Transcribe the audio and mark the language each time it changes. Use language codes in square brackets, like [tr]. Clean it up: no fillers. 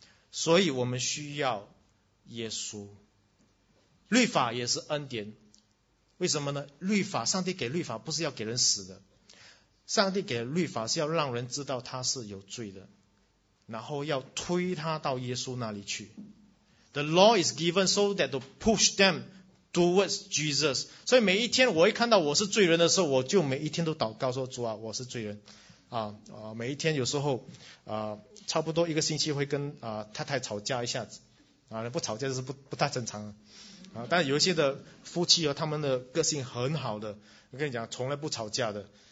[zh] 所以我们需要耶稣，律法也是恩典。为什么呢？律法，上帝给律法不是要给人死的，上帝给律法是要让人知道他是有罪的，然后要推他到耶稣那里去。 [en] The law is given so that to push them towards Jesus. [zh] 所以每一天我一看到我是罪人的时候，我就每一天都祷告说，主啊，我是罪人。每一天有时候差不多一个星期会跟太太吵架一下子。不吵架是 不太正常。但有一些的夫妻和他们的个性很好的，我跟你讲，从来不吵架的。